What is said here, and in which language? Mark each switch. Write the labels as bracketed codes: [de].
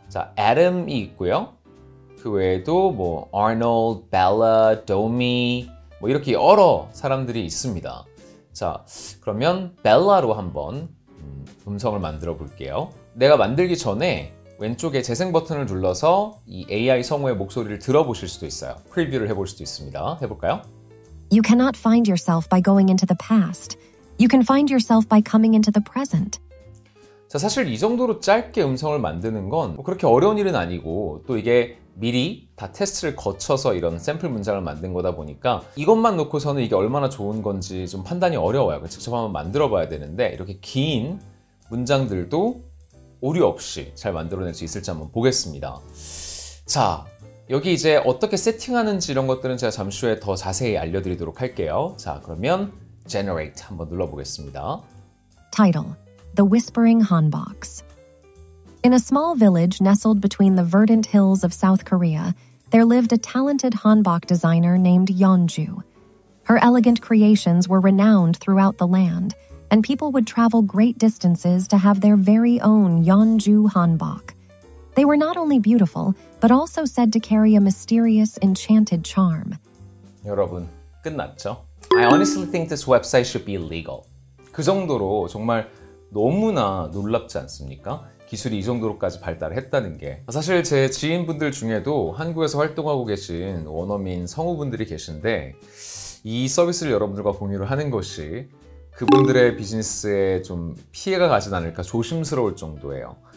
[ko] 자, Adam이 있고요. 그 외에도 뭐 Arnold, Bella, Domi 뭐 이렇게 여러 사람들이 있습니다. 자, 그러면 Bella로 한번 음성을 만들어 볼게요. 내가 만들기 전에 왼쪽에 재생 버튼을 눌러서 이 AI 성우의 목소리를 들어보실 수도 있어요. 프리뷰를 해볼 수도 있습니다. 해볼까요? [en] You cannot find yourself by going into the past. You can find yourself by coming into the present. [ko] 자, 사실 이 정도로 짧게 음성을 만드는 건 뭐 그렇게 어려운 일은 아니고, 또 이게 미리 다 테스트를 거쳐서 이런 샘플 문장을 만든 거다 보니까 이것만 놓고서는 이게 얼마나 좋은 건지 좀 판단이 어려워요. 직접 한번 만들어 봐야 되는데 이렇게 긴 문장들도 오류 없이 잘 만들어낼 수 있을지 한번 보겠습니다. 자, 여기 이제 어떻게 세팅하는지 이런 것들은 제가 잠시 후에 더 자세히 알려드리도록 할게요. 자, 그러면 Generate 한번 눌러보겠습니다. [en] Title: The Whispering Hanbok. In a small village nestled between the verdant hills of South Korea, there lived a talented Hanbok designer named Yeonju. Her elegant creations were renowned throughout the land. And people would travel great distances to have their very own Yeonju Hanbok. They were not only beautiful, but also said to carry a mysterious, enchanted charm. [ko] 여러분, 끝났죠? [en] I honestly think this website should be illegal. [ko] 그 정도로 정말 너무나 놀랍지 않습니까? 기술이 이 정도로까지 발달했다는 게. 사실 제 지인분들 중에도 한국에서 활동하고 계신 원어민 성우분들이 계신데 이 서비스를 여러분들과 공유를 하는 것이 그분들의 비즈니스에 좀 피해가 가진 않을까 조심스러울 정도예요.